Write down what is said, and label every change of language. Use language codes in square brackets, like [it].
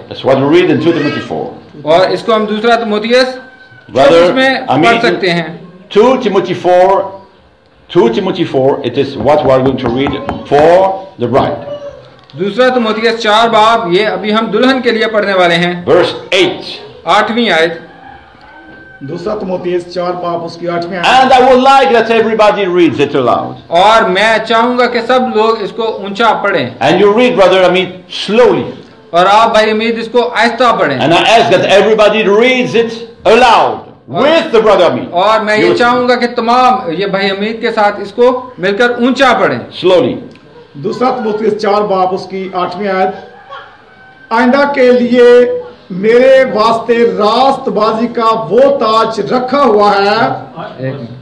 [en] That's what we read in 2 Timothy 4. [hi] और इसको हम दूसरा तीमोथियस Brother, पढ़ सकते हैं. [en] 2 Timothy 4, it is what we are going to read for the bride. [hi] दूसरा तीमोथियस 4 बाब, ये अभी हम दुल्हन के लिए पढ़ने वाले हैं. [en] Verse 8. [hi] 8वीं आयत. दूसरा तीमोथियस 4 बाब उसकी 8वीं आयत. [en] And I would like that everybody reads it aloud. [hi] और मैं चाहूंगा कि सब लोग इसको ऊंचा पढ़ें. [en] And you read, Brother Amit, slowly. [hi] और आप भाई अमित इसको आहिस्ता पढ़ें. [en] And I ask that everybody reads it aloud with the brother Amit. [hi] और मैं ये चाहूंगा कि तमाम ये भाई अमित के साथ इसको मिलकर ऊंचा पढ़ें. [en] Slowly. [hi] दूसरा तीमोथियस 4 बाब उसकी 8वीं आयत. आइंदा के लिए मेरे वास्ते रास्तबाजी का वो ताज रखा हुआ है.